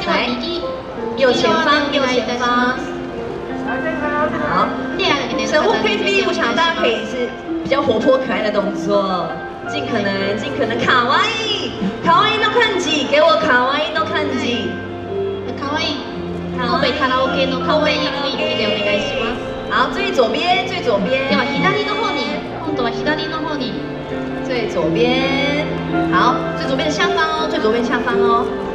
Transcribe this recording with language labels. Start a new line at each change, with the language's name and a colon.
Chinese: 来右前方，好，神户 KTV 舞场，大家可以是比较活泼可爱的动作，尽可能卡哇伊，
Japanese: 卡哇伊の感じ，
Chinese: 给我卡哇伊の感じ，
Japanese: 卡哇伊，神戸卡拉 OK の卡哇伊の雰囲気でお願いします。
Chinese: 好，最左边，
Japanese: では左の方に、今度は左の方に。
Chinese: 最左边，好，最左边的下方哦，最左边下方哦。